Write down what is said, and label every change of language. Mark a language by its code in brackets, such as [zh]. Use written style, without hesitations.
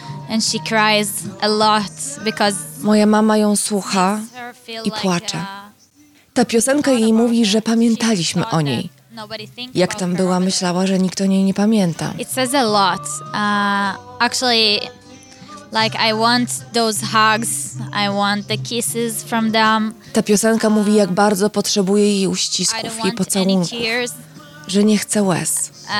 [en] And she cries a lot because [pl] moja mama ją słucha i płacze. Ta piosenka jej mówi, że pamiętaliśmy o niej. Jak tam była, myślała, że nikt o niej nie pamięta. [en] It says a lot. Actually, like I want those hugs, I want the kisses from them. [pl] Ta piosenka mówi, jak bardzo potrzebuje jej uścisków, jej pocałunków, że nie chce łez.